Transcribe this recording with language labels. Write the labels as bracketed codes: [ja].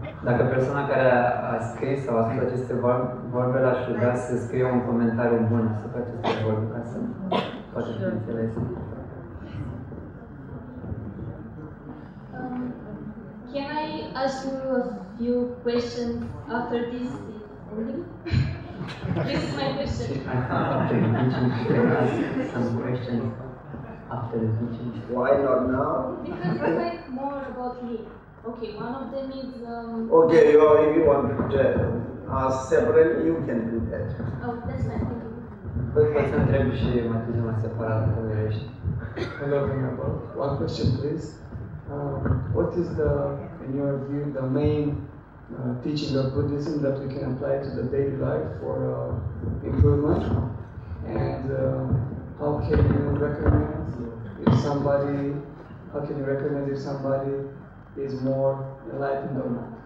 [ro] Dacă persoana care a scris sau a spus aceste vorbe l-aș ruga să scrie un comentariu bun asupra aceste vorbe, ca să poate fi înțeles. [en] Can I ask you a few questions after this? This is my question. I thought after the teaching, you can ask some questions after the teaching. Why not now? Because you like more about me. Okay, one of them is... Okay, well, if you want to ask several, you can do that. Oh, that's nice, thank you. [ro] Poți să întreb și Matizuma separat, cum vrești. [en] Hello, Vinapol. One question, please. What is the, in your view, the main teaching of Buddhism that we can apply to the daily life for improvement? And how can you recommend if somebody, is more enlightened or not?